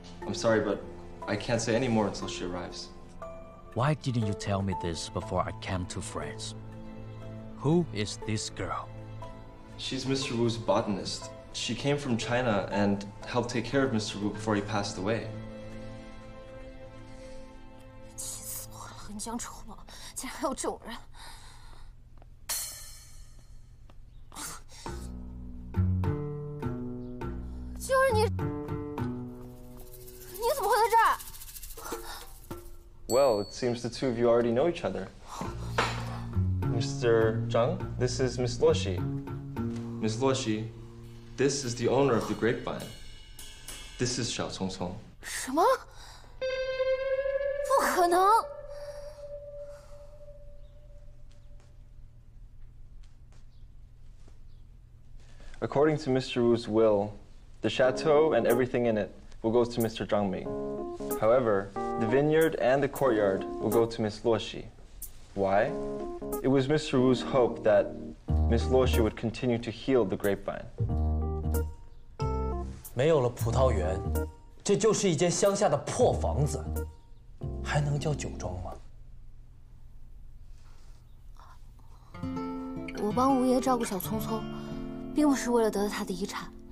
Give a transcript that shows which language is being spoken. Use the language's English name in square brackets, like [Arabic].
[English] I'm sorry, but I can't say any more until she arrives. Why didn't you tell me this before I came to France? Who is this girl? She's Mr. Wu's botanist. She came from China and helped take care of Mr. Wu before he passed away. [Chinese] 气死我了，很想出门，竟然还有这种人。就是你，你怎么会在这儿？ [English] Well, it seems the two of you already know each other. Mr. Zhang, this is Miss Luo Xi. Miss Luo Xi, this is the owner of the grapevine. This is Xiao Cong Cong. [Chinese] 什么？不可能！ [English] According to Mr. Wu's will, the chateau and everything in it will go to Mr. Zhang Ming. However, the vineyard and the courtyard will go to Miss Luo Xi. Why? It was Mr. Wu's hope that Miss Luo Xi would continue to heal the grapevine. [Chinese] 没有了葡萄园，这就是一间乡下的破房子，还能叫酒庄吗？我帮吴爷照顾小聪聪，并不是为了得到他的遗产。